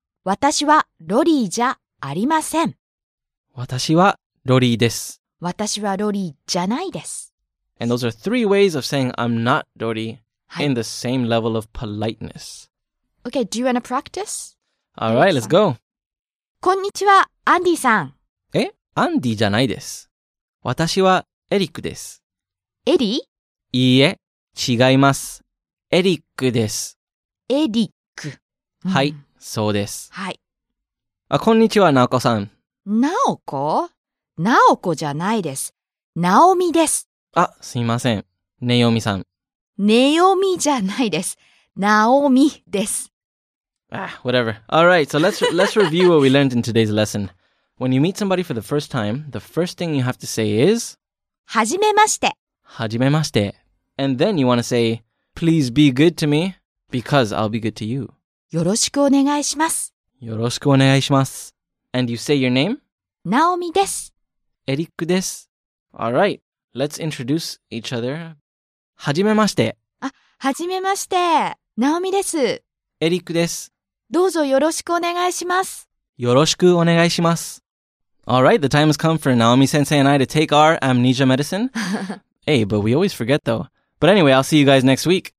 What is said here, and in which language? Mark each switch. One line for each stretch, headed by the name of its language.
Japanese: 私はロリーじゃありません。私はロリーです。私はロリーじゃないです。
English: And those are three ways of saying I'm not Dori in the same level of politeness. Okay, do you want to practice? All right, let's go.
Japanese: こんにちは、アンディさん。え、アンディじゃないです。私はエリックです。エリ？いいえ、違います。エリックです。エリック。はい、そうです。はい。あ、こんにちは、ナオコさん。ナオコ？ナオコじゃないです。ナオミです。あ、すいません。ネヨミさん。ネヨミじゃないです。ナオミです。
English: Whatever. All right, so let's review what we learned in today's lesson. When you meet somebody for the first time, the first thing you have to say is...
Japanese: はじめまして. はじめまして.
English: And then you want to say, please be good to me, because I'll be good to you.
Japanese: よろしくお願いします.
English: And you say your name?
Japanese: Naomi desu. Eric desu.
English: All right, let's introduce each other.
Japanese: はじめまして. はじめまして.Naomi desu. Eric desu. どうぞよろしくお願いします。よろしくお願いします。
English: All right, the time has come for Naomi-sensei and I to take our amnesia medicine. Hey, but we always forget though. But anyway, I'll see you guys next week.